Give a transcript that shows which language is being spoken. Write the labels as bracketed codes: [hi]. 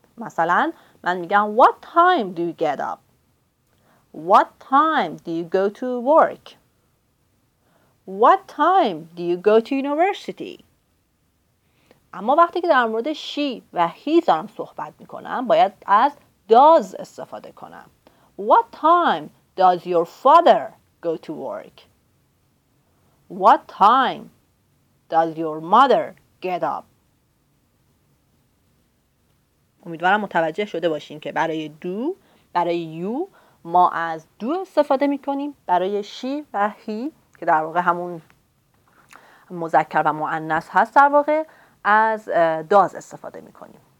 [fa] مثلا من میگم [en] what time do you get up، what time do you go to work، what time do you go to university. [fa] اما وقتی که در مورد she و he دارم صحبت میکنم باید از does استفاده کنم. [en] what time does your father go to work، what time does your mother get up. [fa] امیدوارم متوجه شده باشین که برای do، برای you ما از do استفاده میکنیم، برای she و he که در واقع همون مذکر و مؤنث هست در واقع از does استفاده میکنیم.